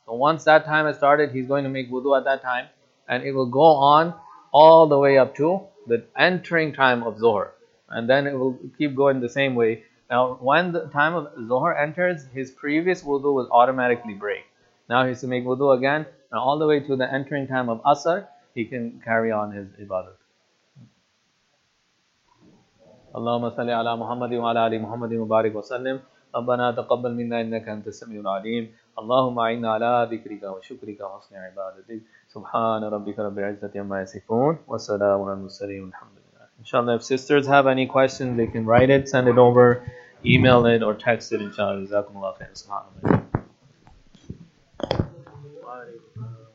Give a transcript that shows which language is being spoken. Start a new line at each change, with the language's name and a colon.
English: So once that time has started, he's going to make wudu at that time, and it will go on all the way up to the entering time of Zuhr. And then it will keep going the same way. Now when the time of Zuhr enters, his previous wudu will automatically break. Now he has to make wudu again, and all the way to the entering time of Asr, he can carry on his ibadah.
Arabic: اللهم صل على محمد وعلى آل محمد مبارك وسلم ربنا تقبل منا إنك أنت السميع العليم اللهم أعنا على ذكرك وشكرك وحسن عبادتك سبحان ربك رب العزة عما يصفون وسلام على المرسلين الحمد لله.
English: Inshallah, if sisters have any questions, they can write it, send it over, email it, or text it. Inshallah, JazakumAllah khair. Subhanallah.